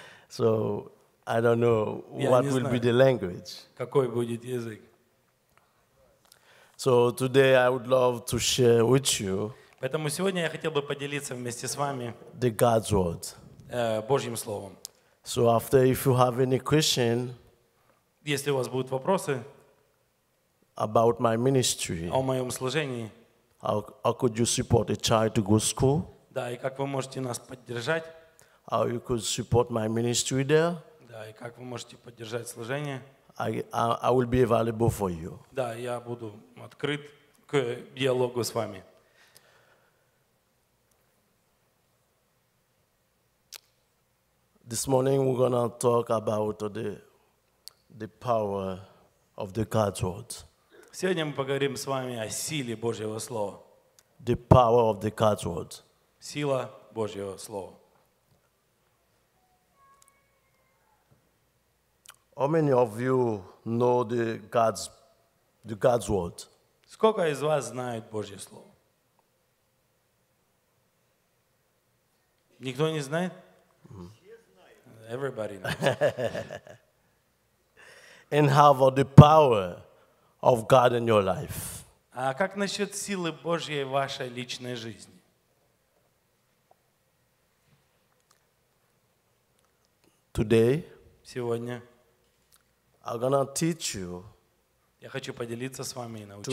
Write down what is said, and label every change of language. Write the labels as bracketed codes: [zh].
[en] So I don't know what will be the language. [ru] Какой будет язык? [en] So today I would love to share with you. [ru] Поэтому сегодня я хотел бы поделиться вместе с вами. [en] The God's word. [ru] Божьим словом. [en] So after, if you have any question. [ru] Если у вас будут вопросы. [en] About my ministry. [ru] О моем служении. [en] How could you support a child to go to school? [ru] Да, и как вы можете нас поддержать? [en] How you could support my ministry there? [ru] Да, и как вы можете поддержать служение? [en] I will be available for you. [ru] Да, я буду открыт к диалогу с вами. [en] This morning we're gonna talk about the power of the God's word. [ru] Сегодня мы поговорим с вами о силе Божьего слова. [en] The power of the God's word. [ru] Сила Божьего слова. [en] How many of you know the God's word? [ru] Сколько из вас знает Божье слово? Никто не знает? [en] Everybody knows. And how about the power of God in your life? [ru] А как насчет силы Божьей в вашей личной жизни? [en] Today. [ru] Сегодня. [en] I'm gonna teach you. [ru] Я хочу поделиться с вами и научить